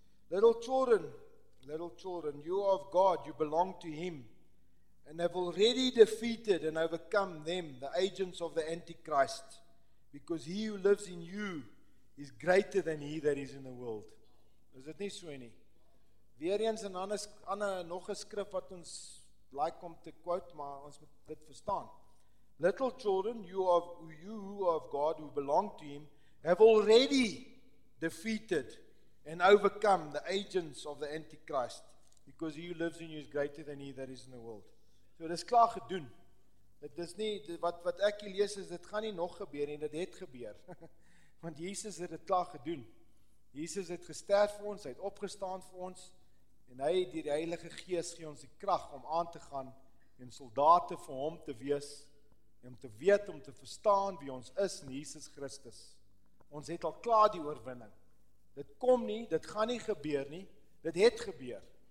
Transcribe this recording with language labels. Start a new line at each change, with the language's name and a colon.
English: Little children, you are of God, you belong to Him, and have already defeated and overcome them, the agents of the Antichrist, because He who lives in you is greater than he that is in the world.
Afrikaans: Is dit nie so nie? Weer eens in ander nog 'n skrif wat ons like om te quote, maar ons moet dit verstaan.
English: Little children, you who are of God, who belong to Him, have already defeated and overcome the agents of the Antichrist, because he who lives in you is greater than he that is in the world.
Afrikaans: So dit is klaar gedoen. Dit is nie, wat ek hier lees is, dit gaan nie nog gebeur nie, dit het gebeur. Want Jesus het dit klaar gedoen. Jesus het gesterf vir ons, hy het opgestaan vir ons, en hy het die Heilige Gees gee ons die krag om aan te gaan, en soldate vir hom te wees, en om te weet, om te verstaan wie ons is in Jesus Christus. Ons het al klaar die oorwinning. Dit kom nie, dit gaan nie gebeur nie, dit het gebeur.